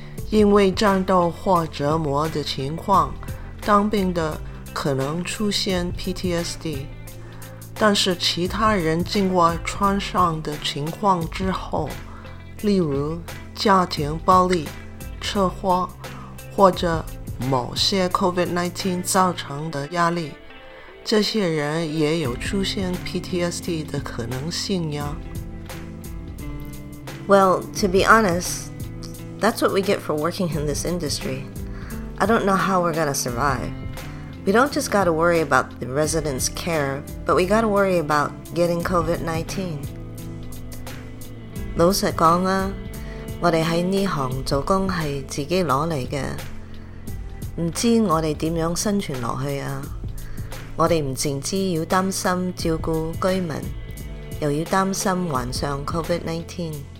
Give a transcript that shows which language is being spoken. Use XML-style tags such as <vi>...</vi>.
<zh>因为战斗或折磨的情况，当兵的可能出现PTSD， 但是其他人经过创伤的情况之后，例如家庭暴力、车祸，抑或某些COVID-19造成的压力， 这些人亦都有出现PTSD的可能性啊。是, 因为战斗或折磨的情况，当兵的可能出现PTSD， 但是其他人经过创伤的情况之后，例如家庭暴力、车祸，或者某些COVID-19造成的压力，这些人也有出现PTSD的可能性呀。</zh> <en>Well, to be honest, that's what we get for working in this industry. I don't know how we're gonna survive. We don't just gotta worry about the residents' care, but we gotta worry about getting COVID-19.</en> <zh>老实说啊，我们在这行做工是自己拿来的，不知道我们怎样生存下去啊。我们不仅要担心照顾居民，又要担心患上COVID-19。</zh>